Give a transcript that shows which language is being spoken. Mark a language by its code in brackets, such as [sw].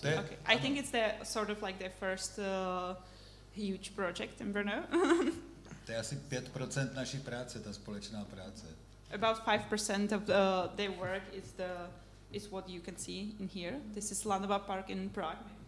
[en] Okay. I think it's the sort of like their first huge project in Brno. [cs] To je asi 5% naší práce, ta společná práce. [en] About 5% of their work is what you can see in here. This is Lanova Park in Prague.